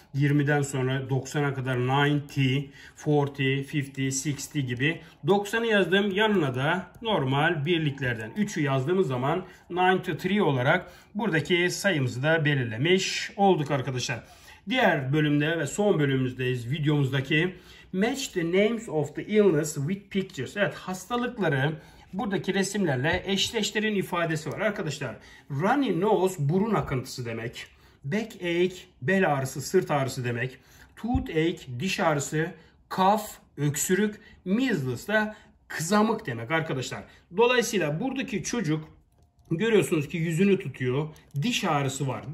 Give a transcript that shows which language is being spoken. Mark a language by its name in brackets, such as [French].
[Turkish] 20'den sonra 90'a kadar 90, 40, 50, 60 gibi. 90'ı yazdım. Yanına da normal birliklerden 3'ü yazdığımız zaman 93 olarak buradaki sayımızı da belirlemiş olduk arkadaşlar. Diğer bölümde ve son bölümümüzdeyiz videomuzdaki. [English] Match the names of the illness with pictures. [Turkish] Evet, hastalıkları buradaki resimlerle eşleştirin ifadesi var arkadaşlar. Runny nose burun akıntısı demek. Backache bel ağrısı, sırt ağrısı demek. Toothache diş ağrısı. Cough öksürük. Measles da kızamık demek arkadaşlar. Dolayısıyla buradaki çocuk görüyorsunuz ki yüzünü tutuyor. Diş ağrısı var.